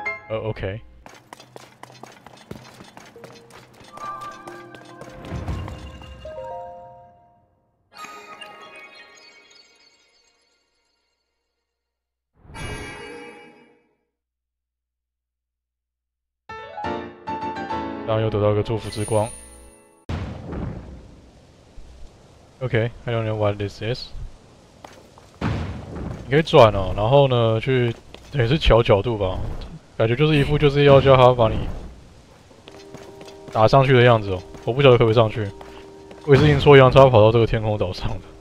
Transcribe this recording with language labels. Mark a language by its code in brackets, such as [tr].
[zh] OK， 然后又得到一个祝福之光。 [en] OK， I don't know what this is。 [zh] 你可以转哦，然后呢，去也是调角度吧。感觉就是一副就是要叫他把你打上去的样子哦，我不晓得可不可以上去，我也是阴错阳差跑到这个天空岛上的。